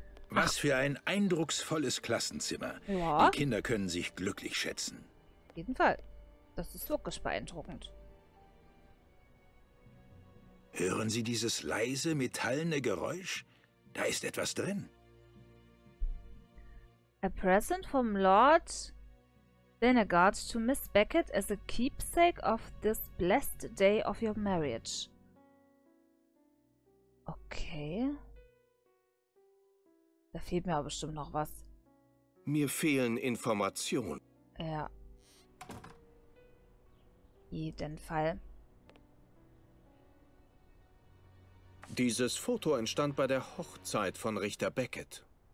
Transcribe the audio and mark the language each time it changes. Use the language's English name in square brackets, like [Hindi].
[German] Was für ein eindrucksvolles Klassenzimmer. Ja. Die Kinder können sich glücklich schätzen. Auf jeden Fall. Das ist wirklich beeindruckend. Hören Sie dieses leise, metallene Geräusch? Da ist etwas drin. [English] A present from Lord Vinegard to Miss Beckett as a keepsake of this blessed day of your marriage. Okay. [German] Da fehlt mir aber bestimmt noch was. Mir fehlen Informationen. Ja. Jeden Fall. Dieses Foto entstand bei der Hochzeit von Richter Beckett.